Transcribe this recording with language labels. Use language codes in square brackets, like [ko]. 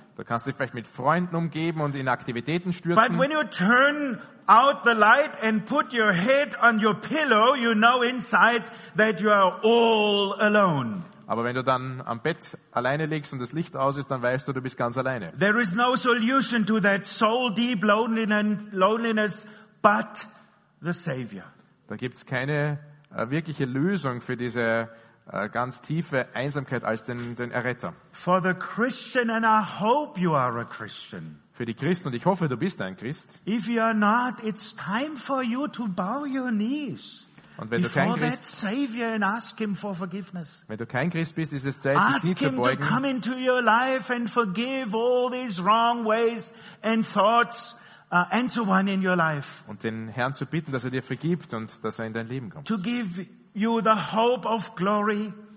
[de] Da kannst du dich vielleicht mit Freunden umgeben und in Aktivitäten stürzen. [en] But when you turn out the light and put your head on your pillow, you know inside that you are all alone. [de] Aber wenn du dann am Bett alleine liegst und das Licht aus ist, dann weißt du, du bist ganz alleine. [en] There is no solution to that soul deep loneliness but the Savior. [de] Da gibt's keine wirkliche Lösung für diese ganz tiefe Einsamkeit als den Erretter. [en] For the Christian, and I hope you are a Christian. [de] Für die Christen, und ich hoffe, du bist ein Christ. [en] If you are not, it's time for you to bow your knees. [de] Und wenn [en] before [de] du kein Christ, [en] that Savior and ask him for forgiveness. [de] Wenn du kein Christ bist, ist es Zeit, dich nicht zu beugen. [en] Ask him to come into your life and forgive all these wrong ways and thoughts and so on in your life. [de] Und den Herrn zu bitten, dass er dir vergibt und dass er in dein Leben kommt. [en] To give you the hope of glory.